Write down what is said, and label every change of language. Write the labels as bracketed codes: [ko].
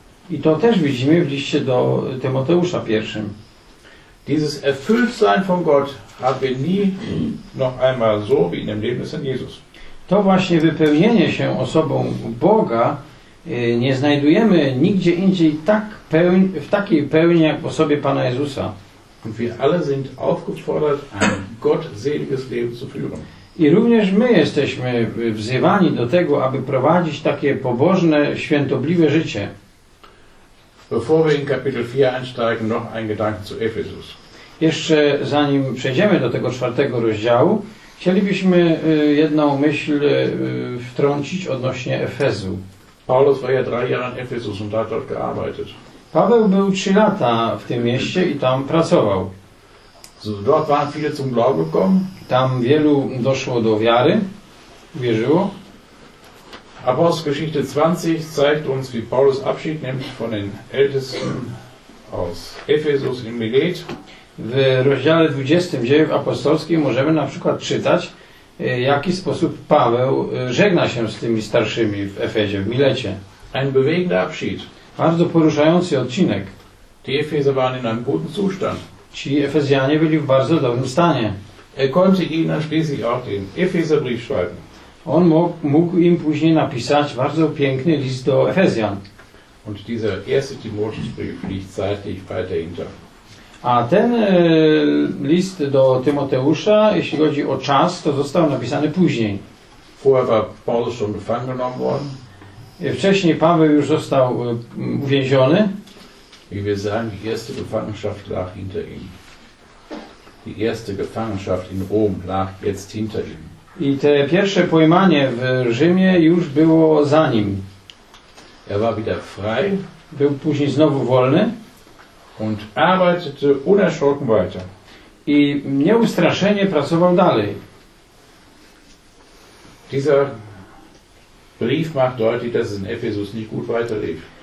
[pl] I to też widzimy w liście do Tymoteusza pierwszym. [de] Dieses Erfülltsein von Gott haben wir nie noch einmal so wie in dem Leben des Herrn Jesus. [pl] To właśnie wypełnienie się osobą Boga nie znajdujemy nigdzie indziej tak w takiej pełni jak w osobie Pana Jezusa. [de] Und wir alle sind aufgefordert, ein gottseliges Leben zu führen. [pl] I również my jesteśmy wzywani do tego, aby prowadzić takie pobożne, świętobliwe życie. [de] Bevor wir in Kapitel 4 einsteigen, noch ein Gedanke zu Ephesus. [pl] Jeszcze zanim przejdziemy do tego czwartego rozdziału, chcielibyśmy jedną myśl wtrącić odnośnie Efezu. [de] Paulus war ja 3 Jahre in Ephesus und hat dort gearbeitet. [pl] Paweł był 3 lata w tym mieście i tam pracował. [de] Dort waren viele zum Glauben gekommen. [pl] Tam wielu doszło do wiary, wierzyło. [de] Apostelgeschichte 20 zeigt uns, wie Paulus Abschied nimmt von den Ältesten aus Ephesus in Milet. [pl] W rozdziale 20 Dziejów Apostolskich możemy na przykład czytać, w jaki sposób Paweł żegna się z tymi starszymi w Efezie, w Milecie. [de] Ein bewegender Abschied. [pl] Bardzo poruszający odcinek. [de] Die Epheser waren in einem guten Zustand. [pl] Ci Efezjanie byli w bardzo dobrym stanie. [de] Er konnte ihnen schließlich auch den Epheserbrief schreiben. [pl] On mógł im później napisać bardzo piękny list do Efezjan. [de] Und dieser erste Timotheusbrief liegt zeitlich weiter hinter. [pl] A ten list do Tymoteusza, jeśli chodzi o czas, to został napisany później. [de] Vorher war Paulus schon gefangen genommen worden. [pl] Wcześniej Paweł już został uwięziony. [de] Wie wir sagen, die erste Gefangenschaft lag hinter ihm. Die erste Gefangenschaft in Rom lag jetzt hinter ihm. [pl] I te pierwsze pojmanie w Rzymie już było za nim. [de] Er war wieder frei. [pl] Był później znowu wolny. [de] Und arbeitete unerschrocken weiter. [pl] I nieustraszenie pracował dalej. [de] Dieser Brief macht deutlich, dass es in Ephesus nicht gut weiterlief.